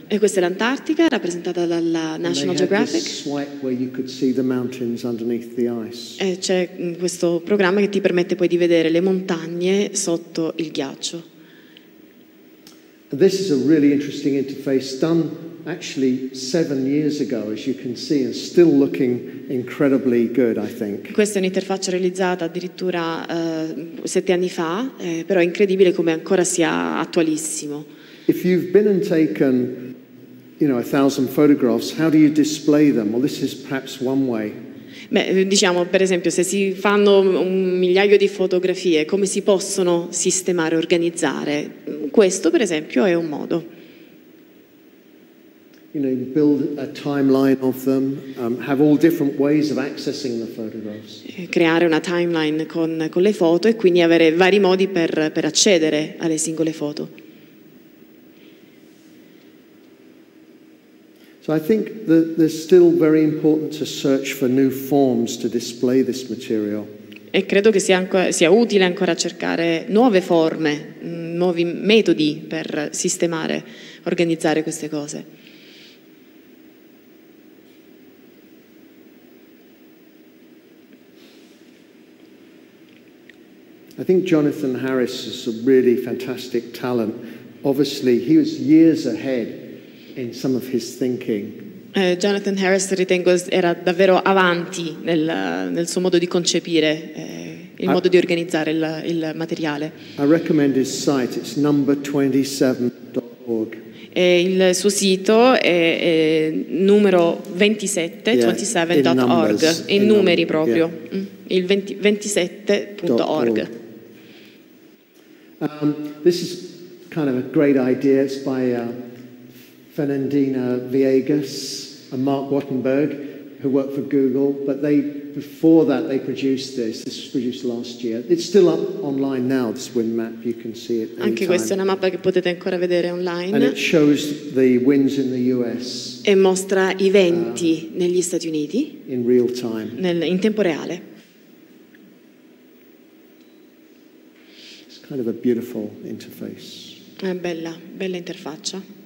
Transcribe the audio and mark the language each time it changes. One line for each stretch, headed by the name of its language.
Italian: E questa è l'Antartica, rappresentata dalla National Geographic.
English: And they had this swipe where you could see the mountains underneath the ice.
Italian: E c'è questo programma che ti permette poi di vedere le montagne sotto il ghiaccio.
English: This is a really interesting interface done actually 7 years ago, as you can see, and still looking incredibly good, I think.
Italian: Questa è un'interfaccia realizzata addirittura 7 anni fa, però è incredibile come ancora sia attualissimo.
English: If you've been and taken, you know, 1,000 photographs, how do you display them? Well, this is perhaps one way.
Italian: Beh, diciamo, per esempio, se si fanno un migliaio di fotografie, come si possono sistemare, organizzare? Questo, per esempio, è un modo.
English: You know, build a timeline of them, have all different ways of accessing the photographs.
Italian: Creare una timeline con le foto e quindi avere vari modi per accedere alle singole foto.
English: I think that there's still very important to search for new forms to display this material.
Italian: E credo che sia utile ancora cercare nuove forme, nuovi metodi per sistemare, organizzare queste cose.
English: I think Jonathan Harris is a really fantastic talent. Obviously, he was years ahead in some of his thinking.
Italian: Jonathan Harris, ritengo, era davvero avanti nel suo modo di concepire il modo di organizzare il materiale.
English: I recommend his site, it's number27.org.
Italian: E il suo sito è numero 27, yeah, 27.org, in numeri proprio, yeah. Il 27.org.
English: This is kind of a great idea, it's by Fernandina Viegas and Mark Wattenberg, who worked for Google, but they, before that, they produced this. This was produced last year. It's still up online now, this wind map. You can see it anytime.
Italian: Anche questa è una mappa che potete ancora vedere online.
English: And it shows the winds in the US.
Italian: E mostra i venti negli Stati Uniti.
English: In real time.
Italian: In tempo reale.
English: It's kind of a beautiful interface.
Italian: È bella, bella interfaccia.